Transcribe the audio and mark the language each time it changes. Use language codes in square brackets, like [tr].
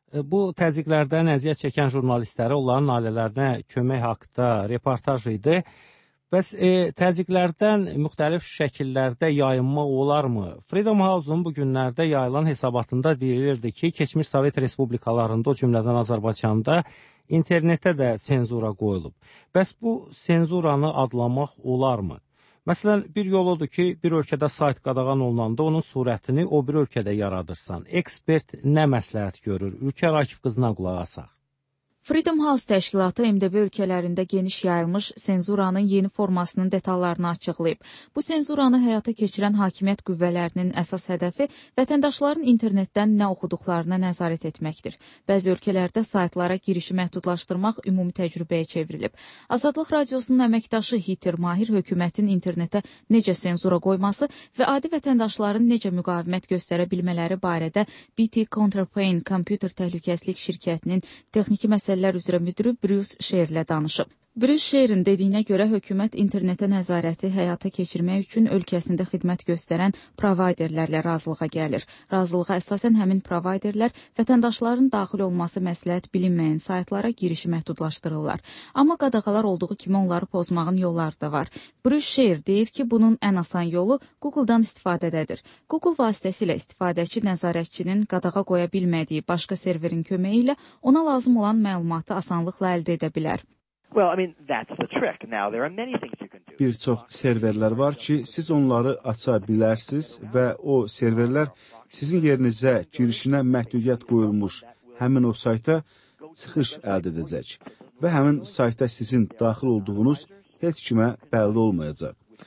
[az] Bu təzyiqlərdən əziyyət çəkən jurnalistlərə, onların ailələrinə kömək haqqında reportaj idi. Bəs təzyiqlərdən müxtəlif şəkillərdə yayınma olarmı? Freedom House-un bugünlərdə yayılan hesabatında deyilirdi ki, keçmiş Sovet Respublikalarında, o cümlədən Azərbaycanda, internetə də senzura qoyulub. Bəs bu senzuranı adlamaq olarmı? Məsələn, bir yol odur ki, bir ölkədə sayt qadağan olunanda onun surətini o bir ölkədə yaradırsan. Ekspert nə məsləhət görür? Ülkər Akif qızına qulaq asaq. Freedom House təşkilatı MDB ölkələrində geniş yayılmış senzuranın yeni formasının detallarını açıqlayıb. Bu senzuranı həyata keçirən hakimiyyət qüvvələrinin əsas hədəfi vətəndaşların internetdən nə oxuduqlarına nəzarət etməkdir. Bəzi ölkələrdə saytlara girişi məhdudlaşdırmaq ümumi təcrübəyə çevrilib. Azadlıq Radiosunun əməkdaşı Hitir Mahir hökumətin internetə necə senzura qoyması və adi vətəndaşların necə müqavimət göstərə bilmələri barədə BT Counterpane kompüter təhlükəsizlik şirkətinin texniki məsələlər üzrə müdürü Bruce Sherlə danışıb. Bruce Sherin dediyinə görə hökumət internetə nəzarəti həyata keçirmək üçün ölkəsində xidmət göstərən provayderlərlə razılığa gəlir. Razılığa əsasən həmin provayderlər vətəndaşların daxil olması məsləhət bilinməyən saytlara girişi məhdudlaşdırırlar. Amma qadağalar olduğu kimi onları pozmağın yolları da var. Bruce Sher deyir ki, bunun ən asan yolu Google-dan istifadədədir. Google vasitəsilə istifadəçi nəzarətçinin qadağa qoya bilmədiyi başqa serverin köməyi ilə ona lazım olan məlumatı asanlıqla əldə edə bilər. [en] Well, I mean, that's the trick. Now, there are many things you can do. [az] Bir çox serverlər var ki, siz onları aça bilərsiniz və o serverlər sizin yerinizə girişinə məhdudiyyət qoyulmuş həmin o sayta çıxış əldə edəcək və həmin sayta sizin daxil olduğunuz heç kimə bəlli olmayacaq.